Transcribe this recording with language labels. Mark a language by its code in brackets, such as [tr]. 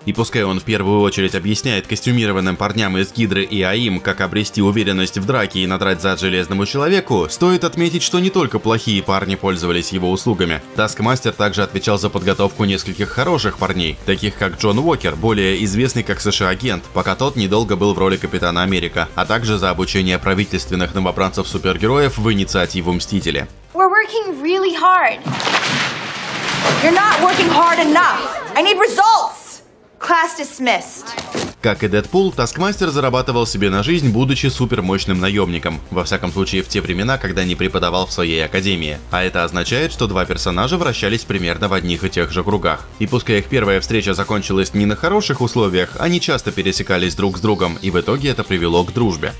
[ru] И пускай он в первую очередь объясняет костюмированным парням из Гидры и АИМ, как обрести уверенность в драке и надрать зад Железному Человеку, стоит отметить, что не только плохие парни пользовались его услугами. Таскмастер также отвечал за подготовку нескольких хороших парней, таких как Джон Уокер, более известный как США-агент, пока тот недолго был в роли Капитана Америка, а также за обучение правительственных новобранцев-супергероев в инициативу Мстители. [en] We're working really hard. You're not working hard enough. I need results. Class dismissed. [ru] Как и Дэдпул, Таскмастер зарабатывал себе на жизнь, будучи супермощным наемником, во всяком случае в те времена, когда не преподавал в своей академии. А это означает, что два персонажа вращались примерно в одних и тех же кругах. И пускай их первая встреча закончилась не на хороших условиях, они часто пересекались друг с другом, и в итоге это привело к дружбе.